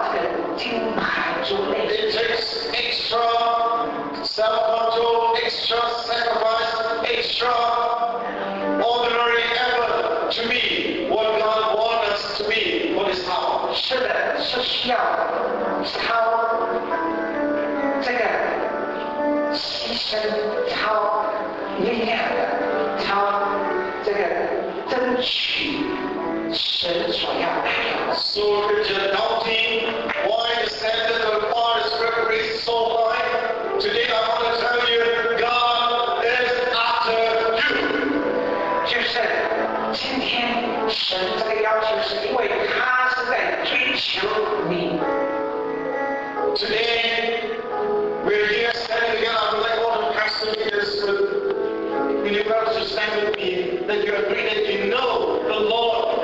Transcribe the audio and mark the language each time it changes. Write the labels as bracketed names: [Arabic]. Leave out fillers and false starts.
[English] It takes extra self-control, extra sacrifice, extra ordinary effort to be what God wants us to be, what is our. [Chinese] 是的，是需要超这个牺牲，超力量的，超这个争取神所要的。 [English] So if you're doubting why the standard of God is raised so high, today I want to tell you God is after you. [Chinese] 就是今天神这个要求是因为他是在追求你。 [English] Today we're here standing together. I'd like all the pastors in this universe to stand with me that you agree that you know the Lord.